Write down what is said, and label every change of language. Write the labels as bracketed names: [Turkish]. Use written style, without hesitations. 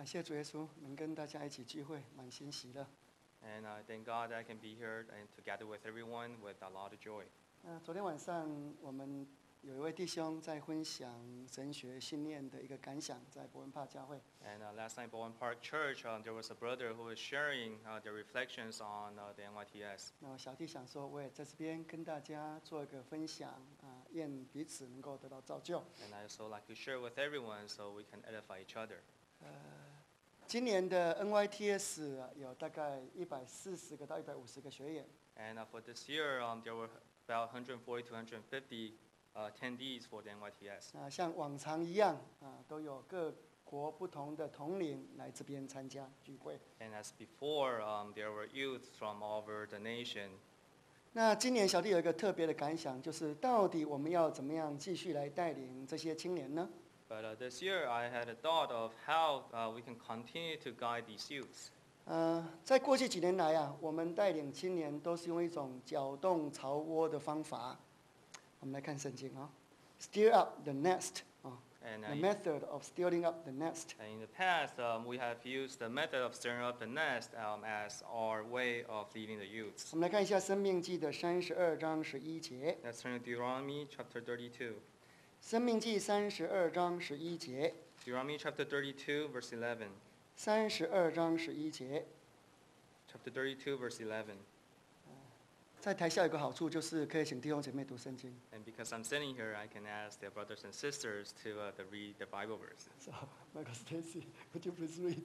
[Chinese] 谢主耶稣，能跟大家一起聚会，满心喜乐。 [English] And I thank God that I can be here and together with everyone with a lot of joy. [Chinese] 昨天晚上我们有一位弟兄在分享神学训练的一个感想，在伯恩帕教会。 [English] And last night, Bowen Park Church, there was a brother who was sharing the reflections on the NYTS. [Chinese] 那小弟想说，我也在这边跟大家做一个分享，愿彼此能够得到造就。 [English] And I also like to share with everyone so we can edify each other. [Chinese] 今年的 NYTS 有大概140个到150个学员。 [English] And for this year, there were about 140 to 150attendees for the NYTS. [Chinese] 像往常一样，都有各国不同的同龄来这边参加聚会。 [English] And as before, there were youth from all over the nation. [Chinese] 那今年小弟有一个特别的感想，就是到底我们要怎么样继续来带领这些青年呢？ [English] But this year, I had a thought of how we can continue to guide these youths. [Chinese] 在过去几年来啊，我们带领青年都是用一种搅动巢窝的方法。我们来看圣经啊 ， [English] stir up the nest [Chinese] 啊、 [English] the method of stirring up the nest. And in the past, we have used the method of stirring up the nest as our way of leading the youths. [Chinese] 我们来看一下《生命记》的32章11节。 [English] Let's turn to Deuteronomy chapter 32. [Chinese] 生命记三十二章十一节。 [English] Deuteronomy chapter 32 verse 11。 [Chinese] 三十二章十一节。 [English] Chapter 32 verse 11。 [Chinese] 在台下有个好处，就是可以请弟兄姐妹读圣经。 [English] And because I'm sitting here, I can ask the brothers and sisters to read the Bible verses. So, Michael Stacy, would you please read?